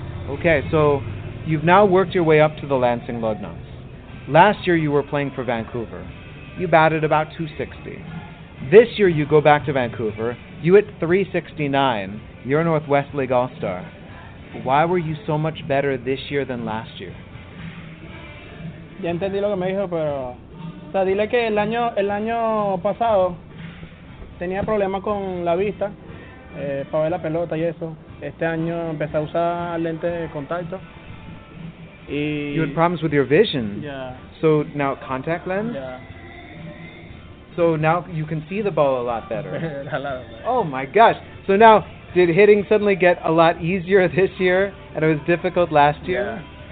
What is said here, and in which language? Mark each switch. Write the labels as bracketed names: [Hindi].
[English] Okay, so you've now worked your way up to the Lansing Lugnuts. Last year you were playing for Vancouver. You batted about 260. This year you go back to Vancouver. You hit 369. You're a Northwest League All-Star. Why were you so much better this year than last year? [Spanish] Ya entendí lo que me dijo, pero... O sea, dile que el año pasado tenía problemas con la vista para ver la pelota y eso. Este año empecé a usar lentes de contacto. Y... [English] You had problems with your vision. Yeah. So now contact lens? Yeah. So now you can see the ball a lot better. A lot better. Oh my gosh. So now, did hitting suddenly get a lot easier this year and it was difficult last year?